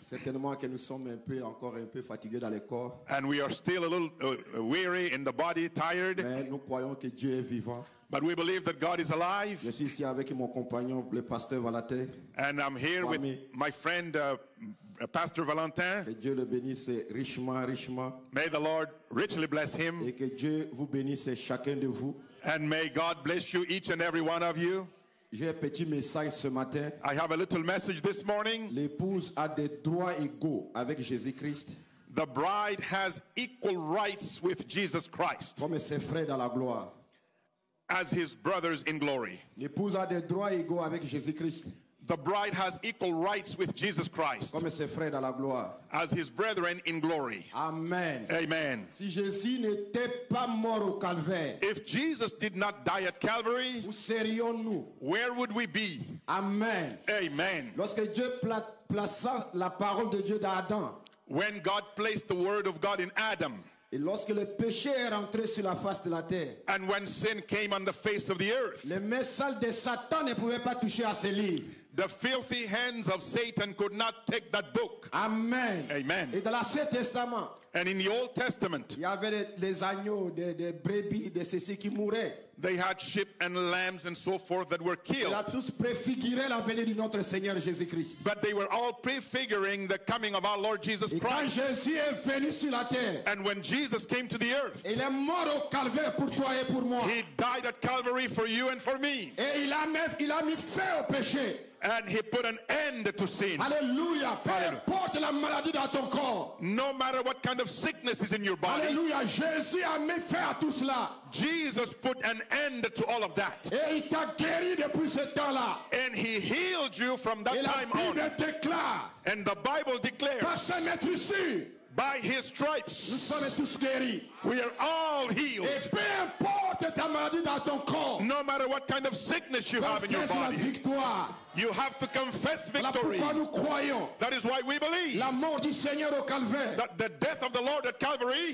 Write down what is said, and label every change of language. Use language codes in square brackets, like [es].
[fr] Certainement que nous sommes encore un peu fatigués dans le corps. [en] And we are still a little weary in the body, tired. [fr] Mais nous croyons que Dieu est vivant. [en] But we believe that God is alive. [fr] Je suis ici avec mon compagnon, le pasteur Valentin. [en] And I'm here with my friend, Pastor Valentin. [fr] Que Dieu le bénisse richement, richement. [en] May the Lord richly bless him. [fr] Et que Dieu vous bénisse chacun de vous. [en] And may God bless you, each and every one of you. [fr] J'ai un petit message ce matin. [en] I have a little message this morning. [fr] L'épouse a des droits égaux avec Jésus-Christ. [en] The bride has equal rights with Jesus Christ. [fr] Comme ses frères dans la gloire. [en] As his brothers in glory. [fr] L'épouse a des droits égaux avec Jésus-Christ. [en] The bride has equal rights with Jesus Christ. [fr] Comme ses frères dans la gloire. [en] As his brethren in glory. Amen. Amen. [fr] Si Jésus n'était pas mort au calvaire, [en] if Jesus did not die at Calvary, [fr] où serions-nous? [en] Where would we be? Amen. Amen. [fr] Lorsque Dieu plaça la parole de Dieu dans Adam, [en] when God placed the word of God in Adam, [fr] et lorsque le péché est rentré sur la face de la terre, [en] and when sin came on the face of the earth, [fr] les mains sales de Satan ne pouvaient pas toucher à ces livres. [en] The filthy hands of Satan could not take that book. Amen. Amen. [fr] Et dans l'Ancien Testament, [en] and in the Old Testament, [fr] il y avait les agneaux, des brebis, des ceci qui mouraient. [en] They had sheep and lambs and so forth that were killed. [fr] Cela tous préfigurait la venue de notre Seigneur Jésus-Christ. [en] But they were all prefiguring the coming of our Lord Jesus Christ. [fr] Et quand Jésus est venu sur la terre, [en] and when Jesus came to the earth, [fr] il est mort au calvaire pour toi et pour moi. [en] He died at Calvary for you and for me. [fr] Et il a mis fin au péché. [en] And he put an end to sin. [fr] Hallelujah. Hallelujah. Porte la maladie dans ton corps. [en] No matter what kind of sickness is in your body. [fr] Hallelujah. Jésus a mis fin à tout cela. [en] Jesus put an end to all of that. [fr] Et il t'a guéri depuis ce temps-là. [en] And he healed you from that time on. [fr] Et la Bible déclare. [en] And the Bible declares. [fr] Par sa maître ici, [en] by his stripes, [fr] nous sommes tous guéris. [en] We are all healed. [fr] Et peu importe ta maladie dans ton corps, [en] no matter what kind of sickness you have in your body, [fr] confesse la victoire. [en] You have to confess victory. [fr] Voilà pourquoi nous croyons. [en] That is why we believe. [fr] La mort du Seigneur au calvaire. [en] That the death of the Lord at Calvary.